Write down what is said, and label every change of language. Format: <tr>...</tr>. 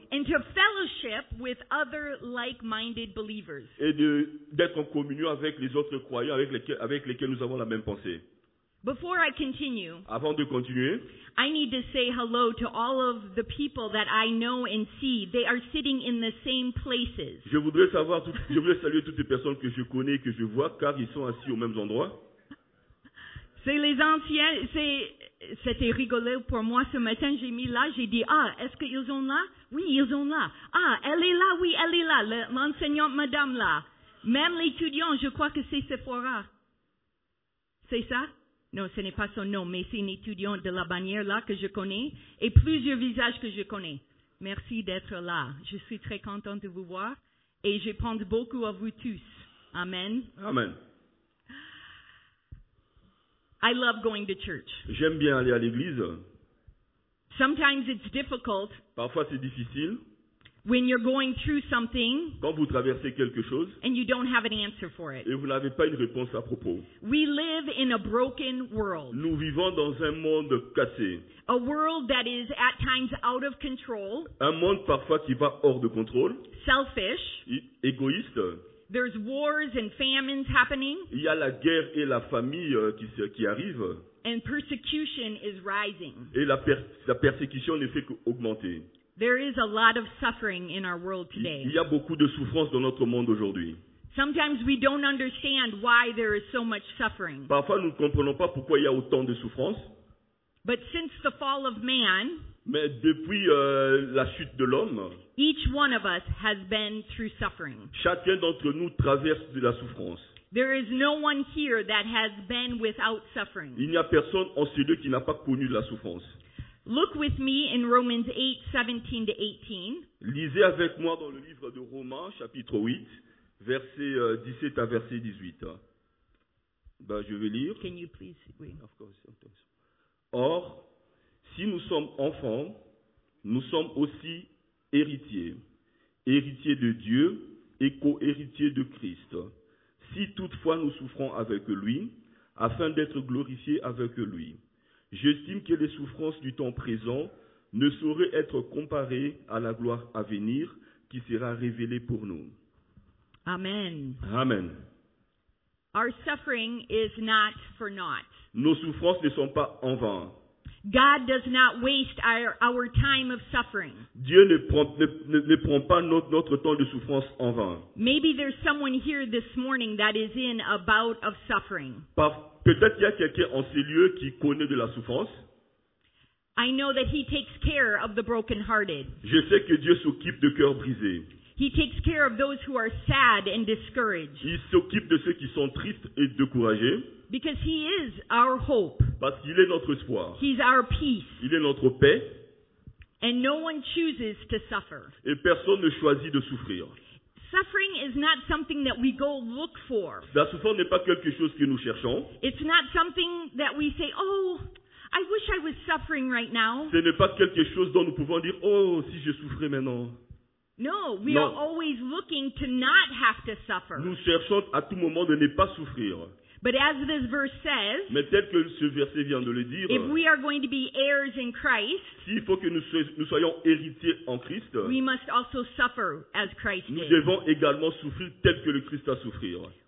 <en>and to fellowship with other like-minded believers,</en> <fr>et d'être en communion avec les autres croyants avec lesquels nous avons la même pensée.</fr> <en>Before I continue,</en> <fr>avant de continuer,</fr> <en>I need to say hello to all of the people that I know and see. They are sitting in the same places.</en> <fr>Je voudrais saluer toutes les personnes que je connais, que je vois, car ils sont assis au même endroit. C'est les anciens, c'était rigolo pour moi ce matin, j'ai mis là, j'ai dit, ah, est-ce qu'ils sont là? Oui, ils sont là. Ah, elle est là, oui, elle est là, l'enseignante madame là. Même l'étudiant, je crois que c'est Sephora. C'est ça? Non, ce n'est pas son nom, mais c'est une étudiante de la bannière là que je connais et plusieurs visages que je connais. Merci d'être là. Je suis très contente de vous voir et je pense beaucoup à vous tous. Amen. Amen.</fr> <en>I love going to church.</en> <fr>J'aime bien aller à l'église.</fr> <en>Sometimes it's difficult.</en> <fr>Parfois c'est difficile.</fr> <en>When you're going through something,</en> <fr>quand vous traversez quelque chose,</fr> <en>and you don't have an answer for it,</en> <fr>et vous n'avez pas une réponse à propos,</fr> <en>we live in a broken world.</en> <fr>Nous vivons dans un monde cassé.</fr> <en>A world that is at times out of control.</en> <fr>Un monde parfois qui va hors de contrôle.</fr> <en>Selfish.</en> <fr>Égoïste.</fr> <en>There's wars and famines happening.</en> <fr>Il y a la guerre et la famille qui arrive.</fr> <en>And persecution is rising.</en> <fr>Et la persécution ne fait qu'augmenter.</fr> <en>There is a lot of suffering in our world today.</en> <fr>Il y a beaucoup de souffrance dans notre monde aujourd'hui.</fr> <en>Sometimes we don't understand why there is so much suffering.</en> <fr>Parfois nous ne comprenons pas pourquoi il y a autant de souffrance.</fr> <en>But since the fall of man,</en> <fr>mais depuis la chute de l'homme,</fr> <en>each one of us has been through suffering.</en> <fr>Chacun d'entre nous traverse de la souffrance.</fr> <en>There is no one here that has been without suffering.</en> <fr>Il n'y a personne en ces lieux qui n'a pas connu de la souffrance.</fr> <en>Look with me in Romans 8, 17 to 18.</en> <fr>Lisez avec moi dans le livre de Romains, chapitre 8, verset 17 à verset 18. Ben, je vais lire.</fr> <en>Can you please? Oui. Of course.</en> <fr>Or, si nous sommes enfants, nous sommes aussi héritiers, héritiers de Dieu et co-héritiers de Christ. Si toutefois nous souffrons avec lui, afin d'être glorifiés avec lui. J'estime que les souffrances du temps présent ne sauraient être comparées à la gloire à venir qui sera révélée pour nous. Amen. Amen.</fr> <en>Our suffering is not for naught.</en> <fr>Nos souffrances ne sont pas en vain.</fr> <en>God does not waste our time of suffering.</en> <fr>Dieu ne prend pas notre temps de souffrance en vain.</fr> <en>Maybe there's someone here this morning that is in a bout of suffering.</en> <fr>Peut-être qu'il y a quelqu'un en ces lieux qui connaît de la souffrance.</fr> <en>I know that he takes care of the brokenhearted.</en> <fr>Je sais que Dieu s'occupe de cœurs brisés.</fr> <en>He takes care of those who are sad and discouraged.</en> <fr>Il s'occupe de ceux qui sont tristes et découragés.</fr> <en>Because he is our hope.</en> <fr>Parce qu'il est notre espoir.</fr> <en>He's our peace.</en> <fr>Il est notre paix.</fr> <en>And no one chooses to suffer.</en> <fr>Et personne ne choisit de souffrir.</fr> <en>Suffering is not something that we go look for.</en> <fr>La souffrance n'est pas quelque chose que nous cherchons.</fr> <en>It's not something that we say, oh, I wish I was suffering right now.</en> <fr>Ce n'est pas quelque chose dont nous pouvons dire, oh, si je souffrais maintenant.</fr> <en>No, we are always looking to not have to suffer.</en> <fr>Nous cherchons à tout moment de ne pas souffrir.</fr> <en>But as this verse says,</en> <fr>mais tel que ce verset vient de le dire,</fr> <en>if we are going to be heirs in Christ,</en> <fr>s'il faut que nous soyons héritiers en Christ,</fr> <en>we must also suffer as Christ</en> <fr>nous</fr> <en>did.</en> <fr>Devons également souffrir tel que le Christ a souffert.</fr>